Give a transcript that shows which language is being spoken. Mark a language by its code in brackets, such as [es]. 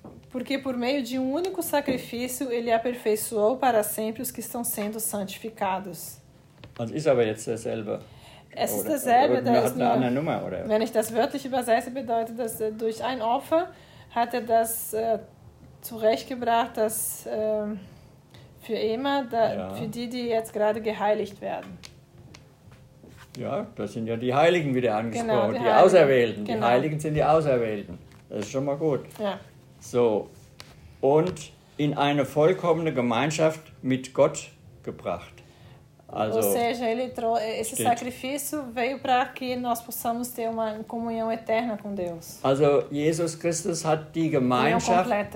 [pt] Porque por meio de um único sacrifício ele aperfeiçoou para sempre os que estão sendo santificados. [de] Also ist aber jetzt dasselbe. Es ist dasselbe, oder, da ist eine andere Nummer, oder? Wenn ich das wörtlich übersetze, bedeutet das, durch ein Opfer hat er das zurechtgebracht, dass für immer, für die jetzt gerade geheiligt werden. Ja, das sind ja die Heiligen wieder angesprochen, genau, die Auserwählten. Genau. Die Heiligen sind die Auserwählten. Das ist schon mal gut. Ja. So, und in eine vollkommene Gemeinschaft mit Gott gebracht. Also, [pt] ou seja, esse sacrifício veio para que nós possamos ter uma comunhão eterna com Deus. [de] Also, Jesus Christus hat die Gemeinschaft.